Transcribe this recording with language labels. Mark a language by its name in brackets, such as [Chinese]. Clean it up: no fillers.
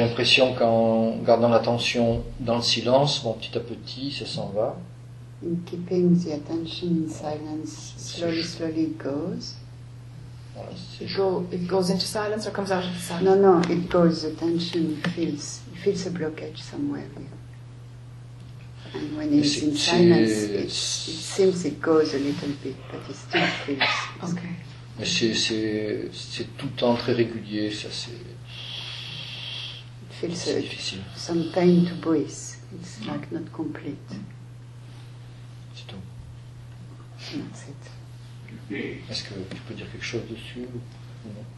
[French] l'impression qu'en gardant l'attention dans le silence, bon, petit à petit, ça s'en va. [English] In keeping the attention in silence, slowly it goes. [French] Voilà, [English] it goes into silence or comes out of silence? No, it goes, the tension feels. It feels a blockage somewhere here. And when it's in silence, it seems it goes a little bit, but it still feels. Okay. [French] Mais c'est tout le temps très régulier, ça c'est... [English] Feels [French] c'est difficile. [English] Some pain to breathe. It's like not complete. [French] C'est tout. [English] That's it. [French] Est-ce que tu peux dire quelque chose dessus ou non?